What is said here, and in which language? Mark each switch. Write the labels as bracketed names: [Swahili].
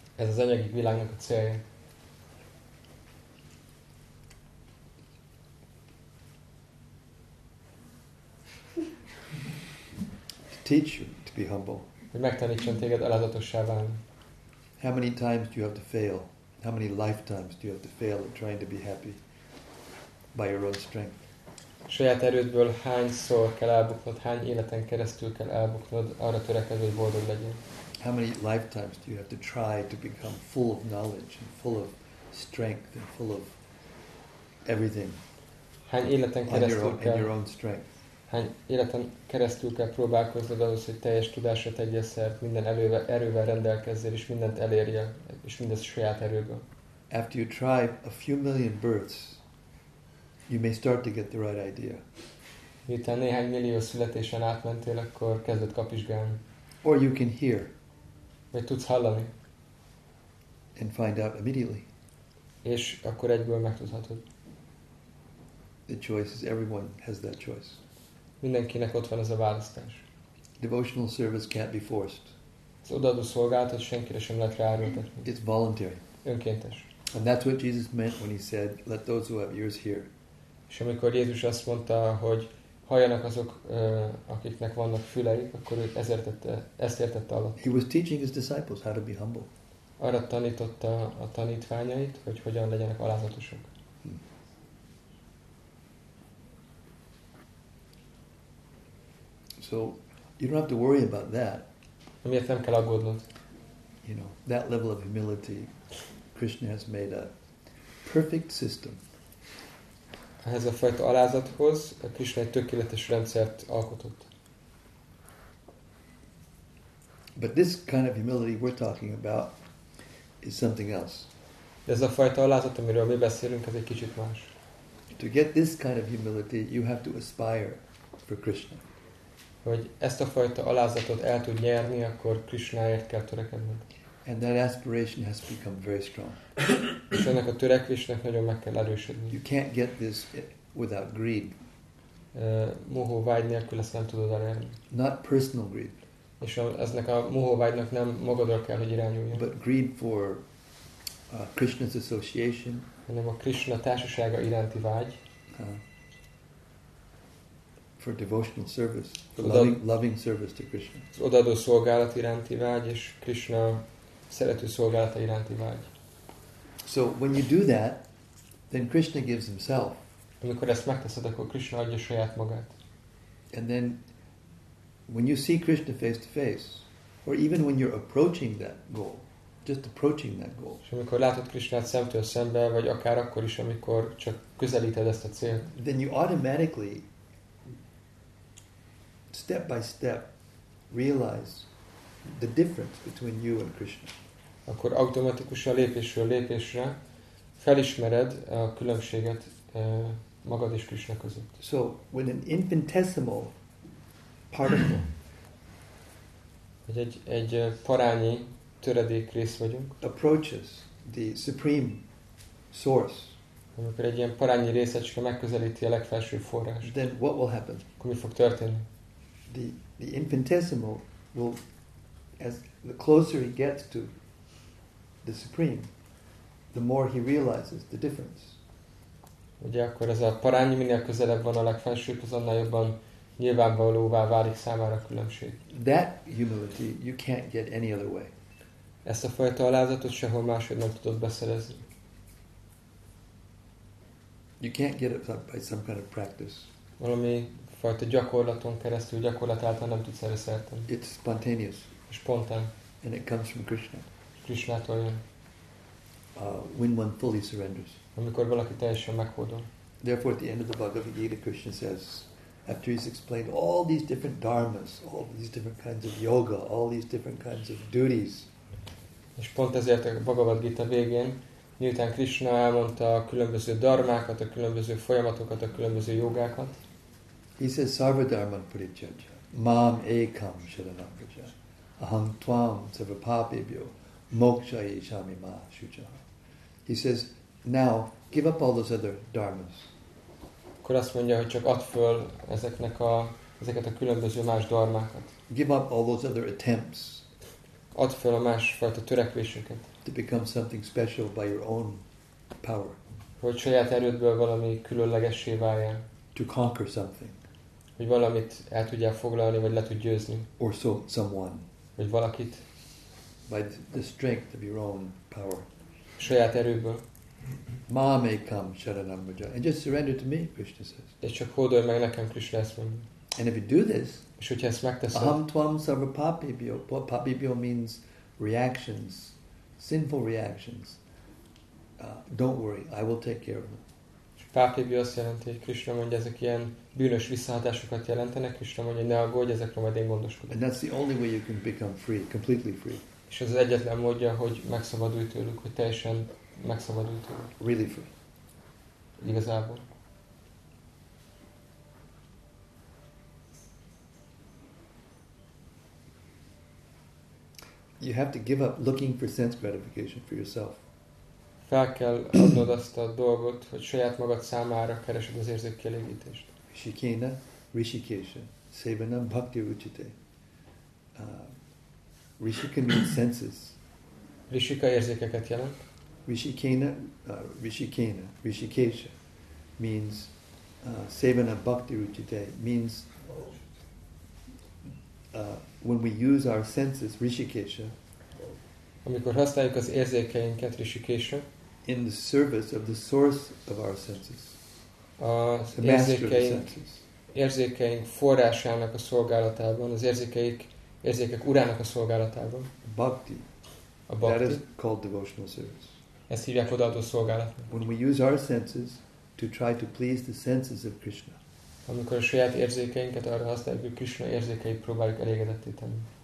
[Hungarian] Ez az anyagi világnak a célja. [English] Teach you to be humble. [Hungarian] Megtanítson téged alázatossá válni. [English] How many times do you have to fail? How many lifetimes do you have to fail at trying to be happy by your own strength? [Hungarian] Saját erődből hányszor kell elbuknod, hány életen keresztül kell elbuknod arra törekedve, hogy boldog legyél? [English] How many lifetimes do you have to try to become full of knowledge and full of strength and full of everything. [Hungarian] Hány életen keresztül kell, [English] your own strength. [Hungarian] Hány életen keresztül kell próbálkoznod ahhoz, hogy teljes tudásra tegyél szert, minden erővel rendelkezzél, és mindent elérjél, és mindez saját erőből. [English] After you try a few million births, you may start to get the right idea. [Hungarian] Miután néhány millió születésen átmentél, akkor kezdett kapizsgálni. [English] Or you can hear. [Hungarian] Vagy tudsz hallani. [English] And find out immediately. [Hungarian] És akkor egyből megtudhatod. [English] The choice is everyone has that choice. [Hungarian] Mindenkinek ott van ez a választás. [English] Devotional service can't be forced. [Hungarian] Az odaadó szolgáltat senkire sem lehet ráerőltetni. [English] It's voluntary. [Hungarian] Önkéntes. [English] And that's what Jesus meant when he said, let those who have ears hear. [Hungarian] És amikor Jézus azt mondta, hogy halljanak azok, akiknek vannak füleik, akkor ő ezt értette alatt. [English] He was teaching his disciples how to be humble. [Hungarian] Arra tanította a tanítványait, hogy hogyan legyenek alázatosok. [English] So you don't have to worry about that. [Hungarian] Amiért nem kell aggódnod. [English] You know, that level of humility, Krishna has made a perfect system. [Hungarian] Ehhez a fajta alázathoz a Krishna egy tökéletes rendszert alkotott. [English] But this kind of humility we're talking about is something else. [Hungarian] De ez a fajta alázat, amiről mi beszélünk, ez egy kicsit más. [English] To get this kind of humility, you have to aspire for Krishna. [Hungarian] Hogy ezt a fajta alázatot el tud nyerni, akkor Krishnáért kell törekednünk. [English] And that aspiration has become very strong. [Hungarian] És ennek a törekvésnek nagyon meg kell erősödni. [English] You can't get this without greed. [Hungarian] Mohó vágy nélkül ezt nem tudod elérni. [English] Not personal greed. [Hungarian] És eznek a mohó vágynak nem magadra kell, hogy irányuljon. [English] But greed for Krishna's association. [Hungarian] Hanem a Krishna társasága iránti vágy. [English] For devotional service, for loving service to Krishna. [Hungarian] Az odaadó szolgálat iránti vágy és Krishna szerető szolgálata iránti vágy. [English] So when you do that, then Krishna gives himself. [Hungarian] Amikor ezt megteszed, akkor Krishna adja saját magát. [English] And then when you see Krishna face to face, or even when you're approaching that goal, just approaching that goal. [Hungarian] És amikor látod Krishnát szemtől szembe, vagy akár akkor is, amikor csak közelíted ezt a célt. [English] Then you automatically step by step realize the difference between you and Krishna. [Hungarian] Akkor automatikusan lépésről lépésre felismered a különbséget magad és Krishna között. [English] So when an infinitesimal particle, [Hungarian] hogy egy parányi töredék rész vagyunk, [English] approaches the supreme source, [Hungarian] amikor egy ilyen parányi részecske megközelíti a legfelső forrás, [English] then what will happen? [Hungarian] Akkor mi fog történni? [English] The infinitesimal will, as the closer he gets to the supreme, the more he realizes the difference. [Hungarian] Ugye akkor ez a parányi, minél közelebb van a legfelsőbb, az annál jobban nyilvánvalóvá válik számára a különbség. [English] That humility you can't get any other way. [Hungarian] Ezt a fajta alázatot sehol máshogy nem tudod beszerezni. [English] You can't get it by some kind of practice. [Hungarian] Valami fajta gyakorlaton keresztül, gyakorlat által nem tudsz erre szert tenni. [English] It's spontaneous. [Hungarian] Spontán. [English] And it comes from Krishna. [Hungarian] Krishnától jön. [English] When one fully surrenders. [Hungarian] Amikor valaki teljesen meghódol. [English] Therefore at the end of the Bhagavad Gita, Krishna says, after he's explained all these different dharmas, all these different kinds of yoga, all these different kinds of duties. [Hungarian] És pont ezért a Bhagavad Gita végén, miután Krishna elmondta a különböző dharmákat, a különböző folyamatokat, a különböző jogákat. [English] He says, [Sanskrit] sarva dharman parityaja, mam ekam sharanam vraja, aham tvam sarva papebhyo, moksha yishami ma shuchaha. [English] He says, now give up all those other dharmas. [Hungarian] Akkor azt mondja, hogy csak add föl ezeket a különböző más dharmákat. [English] Give up all those other attempts. [Hungarian] Add föl a másfajta törekvéseket. [English] To become something special by your own power. [Hungarian] Hogy saját erődből valami különlegessé váljál. [English] To conquer something. [Hungarian] Hogy valamit el tudjál foglalni, vagy le tud győzni. [English] Or so someone. [Hungarian] Vagy valakit. [English] By the strength of your own power. [Hungarian] Saját erőből. [Sanskrit] Ma may come, sharanam vraja. [English] And just surrender to me, Krishna says. [Hungarian] És csak hódolj meg nekem, Krishna ezt mondja. [English] And if you do this, [Hungarian] és hogyha ezt megteszed, [Sanskrit] aham tvam sarva papibhyo. [English] Papibhyo means reactions, sinful reactions. don't worry, I will take care of them. [Hungarian] Pápébi azt jelenti, hogy Krisna mondja, ezek ilyen bűnös visszahatásokat jelentenek, Krisna mondja, ne aggódj, ezekről majd én gondoskodom. [English] And that's the only way you can become free, completely free. [Hungarian] És ez az egyetlen módja, hogy megszabadulj tőlük, hogy teljesen megszabadulj tőlük. [English] Really free. [Hungarian] Igazából. [English] You have to give up looking for sense gratification for yourself. [Hungarian] Fel kell adnod azt a dolgot, hogy saját magad számára keresed az érzékkielégítést. [Sanskrit] Rishikena, Rishikesha, Sevanam, Bhakti, Ruchite. [English] Rishika means senses. [Hungarian] Rishika érzékeket jelent. [Sanskrit] Rishikena, Rishikesha [English] means [Sanskrit] Sevanam, Bhakti, Ruchite, [English] means when we use our senses, Rishikesha, [Hungarian] amikor használjuk az érzékeinket, Rishikesha, [English] in the service of the source of our senses, [Hungarian] az érzékeink, érzékeink forrásának a szolgálatában, az érzékek urának a szolgálatában. [Sanskrit] Bhakti. [Hungarian] A bhakti. [English] That is called devotional service. [Hungarian] Ezt hívják odaadó szolgálatnak. [English] When we use our senses to try to please the senses of Krishna. [Hungarian] Amikor a saját érzékeinket arra használjuk, hogy Krishna érzékeit próbáljuk elégedetté tenni.